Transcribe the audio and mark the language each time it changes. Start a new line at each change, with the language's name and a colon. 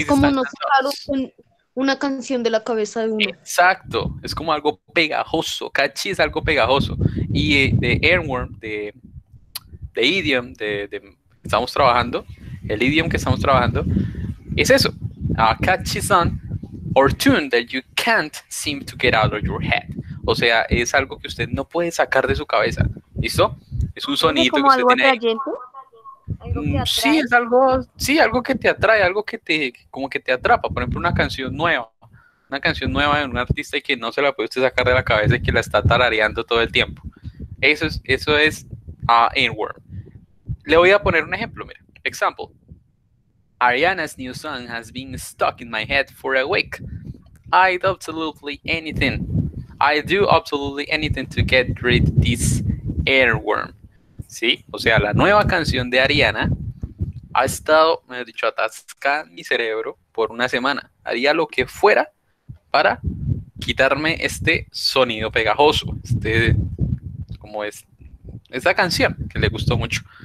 Spanish: Es como no sacar una canción de la cabeza de uno. Exacto. Es como algo pegajoso. Catchy es algo pegajoso. Y de Earworm, de idiom, de estamos trabajando, el idiom que estamos trabajando, es eso.
English: A catchy song or tune that you can't seem to get out of your head.
Spanish: O sea, es algo que usted no puede sacar de su cabeza. ¿Listo? Es un sonido que usted tiene ahí. Sí, es algo, sí, algo que te atrae, algo que te, como que te atrapa. Por ejemplo, una canción nueva de un artista y que no se la puede usted sacar de la cabeza y que la está tarareando todo el tiempo. Eso es a earworm. Le voy a poner un ejemplo, mira. Example.
English: Ariana's new song has been stuck in my head for a week. I'd absolutely anything. I do absolutely anything to get rid of this earworm.
Spanish: Sí, o sea, la nueva canción de Ariana ha estado, me he dicho, atascada en mi cerebro por una semana. Haría lo que fuera para quitarme este sonido pegajoso, este, como es, esta canción que le gustó mucho.